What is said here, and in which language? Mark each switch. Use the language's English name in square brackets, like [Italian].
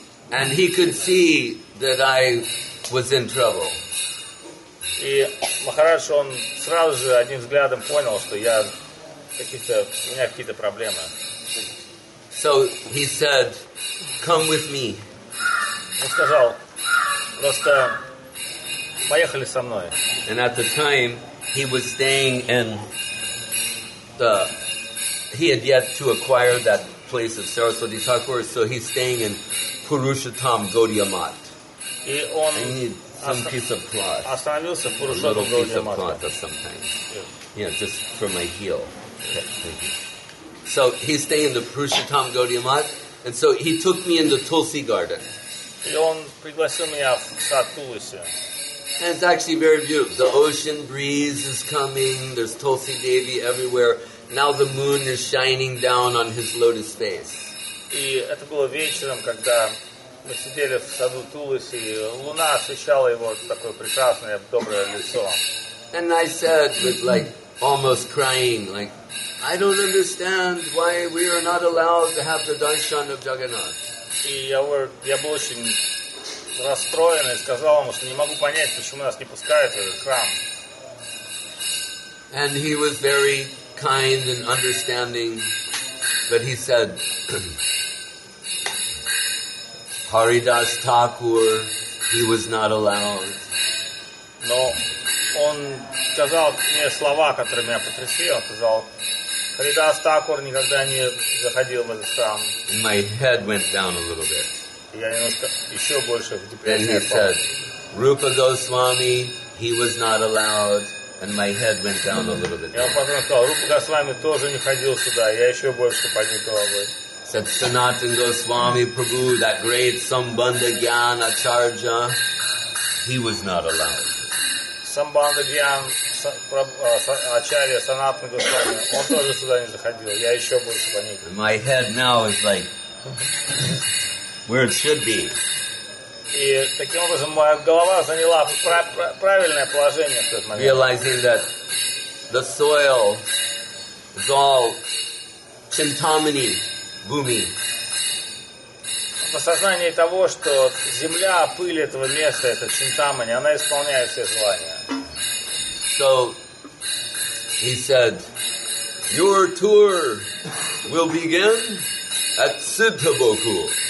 [English] And he could see that I was in trouble. [Russian] И Махарадж, он сразу же одним взглядом понял, что я какие-то, у меня какие-то проблемы. [English] So he said, "Come with me." [Russian] Он сказал, просто поехали со мной. [English] And at the time, he was staying in the. He had yet to acquire that. Place of Saraswati Thakur, so he's staying in Purushottam Gaudiya Math. [Russian] И он [English] I need some piece of cloth. [Russian] Остановился в [English] Purushottam Gaudiya Math. A little piece of cloth of some kind. Yeah. Yeah, just for my heel. Okay. So he's staying in the Purushottam Gaudiya Math, and so he took me into Tulsi Garden. [Russian] И он пригласил меня в сад Тулси. [English] And it's actually very beautiful. The ocean breeze is coming, there's Tulsi Devi everywhere. Now the moon is shining down on his lotus face. [Russian] И это было вечером, когда мы сидели в саду Тулси, и луна освещала его такое прекрасное, доброе лицо. [English] And I said, with like almost crying, like, I don't understand why we are not allowed to have the darshan of Jagannath. [Russian] И я был очень расстроен и сказал ему, что не могу понять, почему нас не пускают в этот храм. [English] And he was very kind and understanding, but he said, Haridas Thakur, he was not allowed. [Russian] Но он сказал мне слова, которые меня потрясли. Он сказал, Haridas Thakur никогда не заходил в этот храм. [English] And my head went down a little bit. [Russian] Я немножко еще больше в депрессии. [English] Then he said, Rupa Goswami, he was not allowed. And my head went down a little bit. [Russian] Я потом сказал, Рупа Госвами тоже не ходил сюда. Я еще больше поднял головой. [English] Said Sanatan Goswami Prabhu, that great Sambandha Gyan Acharya, he was not allowed. [Russian] Sambandha Gyan Acharya Sanatan Goswami, он тоже сюда не заходил. Я еще больше поднял. [English] My head now is like where it should be. [Russian] И таким образом моя голова заняла правильное положение в тот момент. [English] Realizing that the soil is all Chintamani Bhumi. [Russian] Осознание того, что земля, пыль этого места, это Чинтамани, она исполняет все желания. [English] So, he said, your tour will begin at Siddhaboku.